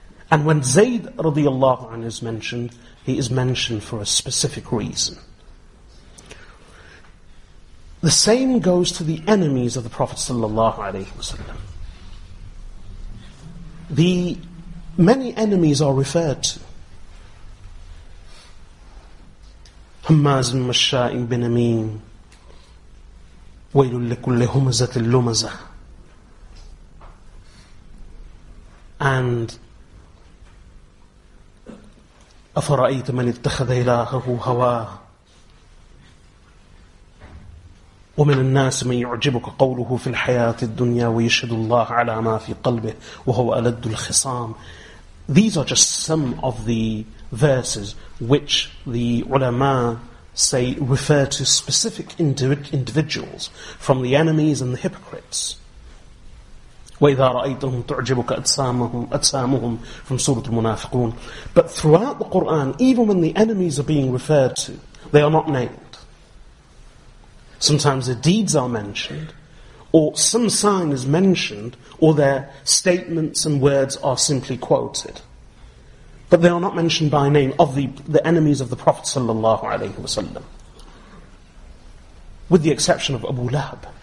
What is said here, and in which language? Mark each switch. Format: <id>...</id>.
<en>And when Zayd radiallahu anhu is mentioned, he is mentioned for a specific reason. The same goes to the enemies of the Prophet sallallahu alaihi wasallam. The many enemies are referred to.</en> <ar>Hammaz bin Mashaa'in bin Amin, Waylul likulli humazatil lumazah, and أَفَرَأَيْتَ مَنِ اتَّخَذَ إِلَاهَهُ هَوَاهُ وَمِنَ النَّاسِ مَنْ يُعْجِبُكَ قَوْلُهُ فِي الْحَيَاةِ الدُّنْيَا وَيَشْهَدُ اللَّهَ عَلَى مَا فِي قَلْبِهِ وَهُوَ أَلَدُّ الْخِصَامِ.</ar> <en>These are just some of the verses which the ulama say refer to specific individuals from the enemies and the hypocrites.</en> <ar>وَإِذَا رَأَيْتَهُمْ تُعْجِبُكَ أَجْسَامُهُمْ</ar> <en>from Surah Al-Munafiqun. But throughout the Qur'an, even when the enemies are being referred to, they are not named. Sometimes their deeds are mentioned, or some sign is mentioned, or their statements and words are simply quoted. But they are not mentioned by name of the enemies of the Prophet sallallahu alaihi wasallam, with the exception of Abu Lahab.</en>